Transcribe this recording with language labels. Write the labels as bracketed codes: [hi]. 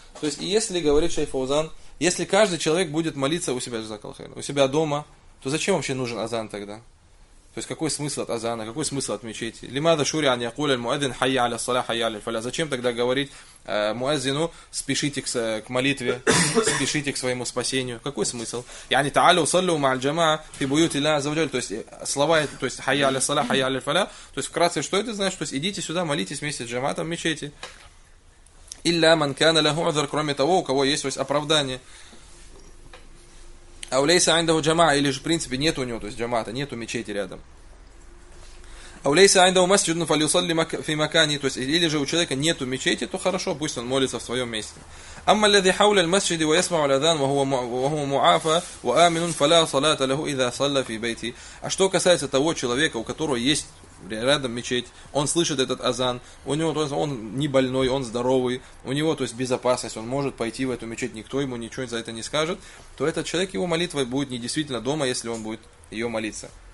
[ru] То есть, если говорит шейх Фаузан, если каждый человек будет молиться у себя дома, то зачем вообще нужен азан тогда? То есть, какой смысл от азана, какой смысл от мечети? [ar] لِمَاذَا شُرِعَ يَقُولَ الْمُؤَذِّنُ حَيَّ عَلَى الصَّلَاةِ حَيَّ عَلَى الْفَلَاحِ. [ru] Зачем тогда говорить муэзину, спешите к молитве, спешите к своему спасению? Какой смысл? [ar] يعني تعالوا صلوا مع الجماعة في بيوت الله عز وجل. [ru] То есть слова, то есть [ar] حَيَّ عَلَى الصَّلَاةِ حَيَّ عَلَى الْفَلَاحِ. [ru] То есть вкратце, что это значит? То есть идите сюда, молитесь вместе с джаматом в мечети. [ar] Илля ман кана лаху узр, [ru] кроме того, у кого есть, то есть оправдание. [ar] А у лейса андаху джама, [ru] или же в принципе нет у него, то есть джамата, нету мечети рядом. [ar] وليس عنده مسجد فليصلي في مكانه. [ru] То есть, или же у человека нет мечети, то хорошо, пусть он молится в своем месте. [ar] أما الذي حول المسجد ويسمع الأذان وهو معافى وآمن فلا صلاة له إذا صلى في بيته. [ru] А что касается того человека, у которого есть рядом мечеть, он слышит этот азан, у него, то есть, он не больной, он здоровый, у него, то есть, безопасность, он может пойти в эту мечеть, никто ему ничего за это не скажет, то этот человек, его молитва будет не действительно дома, если он будет ее молиться.